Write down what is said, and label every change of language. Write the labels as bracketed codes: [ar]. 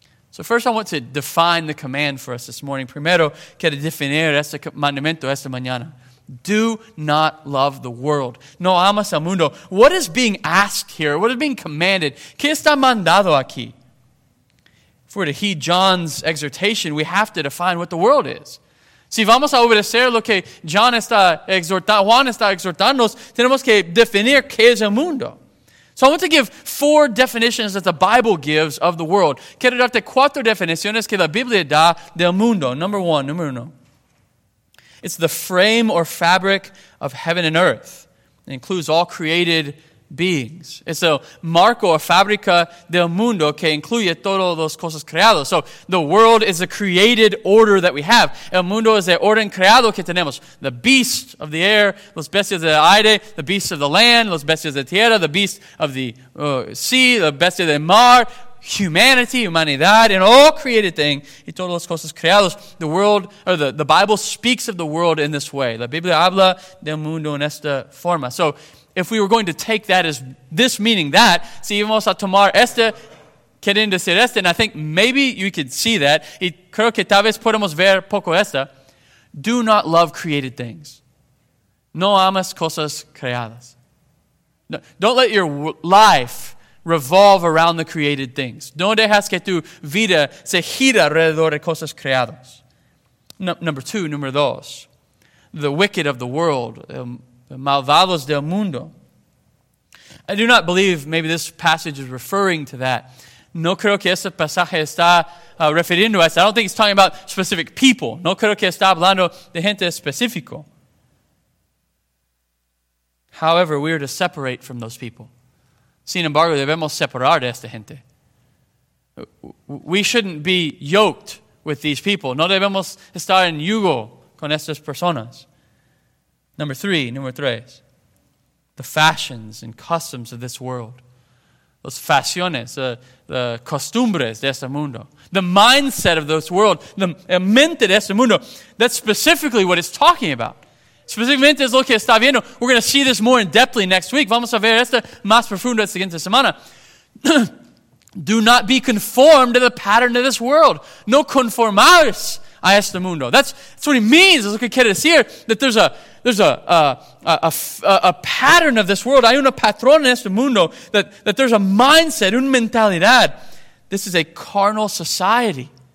[en] So first I want to define the command for us this morning. [es] Primero, quiero definir este mandamiento esta mañana. [en] Do not love the world. [es] No amas al mundo. [en] What is being asked here? What is being commanded? [es] ¿Qué está mandado aquí? [en] If we're to heed John's exhortation, we have to define what the world is. [es] Si vamos a obedecer lo que Juan está exhortándonos, tenemos que definir qué es el mundo. [en] So I want to give four definitions that the Bible gives of the world. [es] Quiero darte cuatro definiciones que la Biblia da del mundo. [en] Number uno. It's the frame or fabric of heaven and earth. It includes all created beings. [es] It's a marco, a fábrica del mundo que incluye todas las cosas creadas. [en] So the world is a created order that we have. [es] El mundo es el orden creado que tenemos. [en] The beast of the air, [es] los bestias del aire, [en] the beast of the land, [es] los bestias de tierra, [en] the beast of the sea, the [es] bestia del mar, [en] humanity, humanidad, and all created things, [es] y todas las cosas creadas. [en] The world, or the Bible speaks of the world in this way. [es] La Biblia habla del mundo en esta forma. [en] So if we were going to take that as this meaning that, [es] si vamos a tomar esta, queriendo decir esta, [en] and I think maybe you could see that, [es] y creo que tal vez podemos ver poco esta, [en] do not love created things. [es] No amas cosas creadas. [en] No, don't let your life revolve around the created things. [es] No dejas que tu vida se gira alrededor de cosas creadas. [en] Number two, the wicked of the world, [es] malvados del mundo. [en] I do not believe maybe this passage is referring to that. [es] No creo que este pasaje está refiriendo a eso. [en] I don't think it's talking about specific people. [es] No creo que está hablando de gente específico. [en] However, we are to separate from those people. [es] Sin embargo, debemos separar de esta gente. [en] We shouldn't be yoked with these people. [es] No debemos estar en yugo con estas personas. [en] Number three, the fashions and customs of this world. [es] Los fashiones, the costumbres de este mundo. [en] The mindset of this world, the [es] mente de este mundo. [en] That's specifically what it's talking about. Specifically, [es] es lo que está viendo. [en] We're going to see this more in depthly next week. [es] Vamos a ver esto más profundo la siguiente semana. [en] Do not be conformed to the pattern of this world. [es] No conformarse a este mundo. [en] That's what he means. [es] Es lo que quiere decir. [en] That there's a pattern of this world. [es] Hay una patrón en este mundo. [en] That there's a mindset, [es] una mentalidad. [en] This is a carnal society.